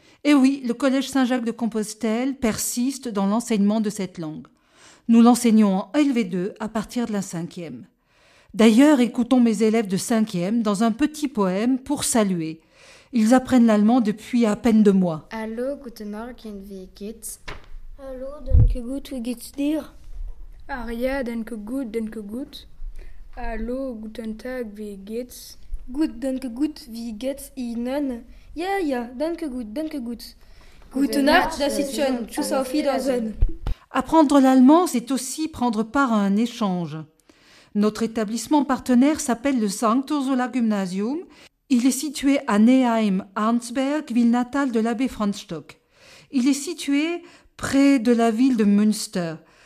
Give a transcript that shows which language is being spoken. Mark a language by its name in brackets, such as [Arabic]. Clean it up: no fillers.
[French] Et oui, le Collège Saint-Jacques de Compostelle persiste dans l'enseignement de cette langue. Nous l'enseignons en LV2 à partir de la 5e. D'ailleurs, écoutons mes élèves de 5e dans un petit poème pour saluer. Ils apprennent l'allemand depuis à peine 2 mois. [German] Hallo, guten Morgen, wie geht's? Hallo, danke gut, wie geht's dir? Aria, danke gut. Hallo, guten Tag, wie geht's? Gut, danke gut, wie geht's Ihnen? Ja, ja, danke gut. Guten Nacht, das ist schön, tschüss auf Wiedersehen. [French] Apprendre l'allemand, c'est aussi prendre part à un échange. Notre établissement partenaire s'appelle le Sankt Ursula Gymnasium. Il est situé à Neheim-Arnsberg, ville natale de l'abbé Franz Stock. Il est situé près de la ville de Münster.